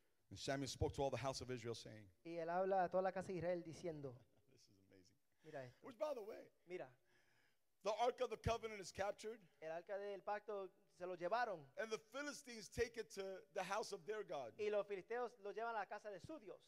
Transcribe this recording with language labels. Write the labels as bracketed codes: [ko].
[en] And Samuel spoke to all the house of Israel, saying. [es] Y él habla a toda la casa de Israel diciendo. [en] This is amazing. [es] Mira esto. [en] Which, by the way, [es] mira, [en] the ark of the covenant is captured. [es] El arca del pacto se lo llevaron. [en] And the Philistines take it to the house of their god. [es] Y los filisteos lo llevan a la casa de su dios.